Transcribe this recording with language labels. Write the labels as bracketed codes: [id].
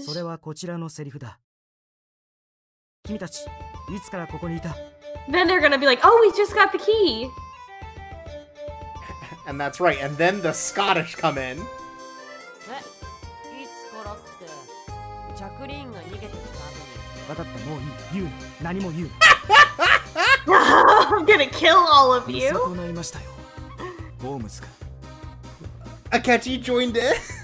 [ja] それはこちらのセリフだ。君たち、いつからここにいた? [en] Then they're gonna be like, oh, we just got the key. And that's right, and then the Scottish come in. [ja] いつからって、ジャクリーンが逃げてきた後に。わかった、もういい。言うな、何も言うな。 [en] I'm gonna kill all of you. [ja] 見損ないましたよ。ホームズか。 [en] I catch you joined in.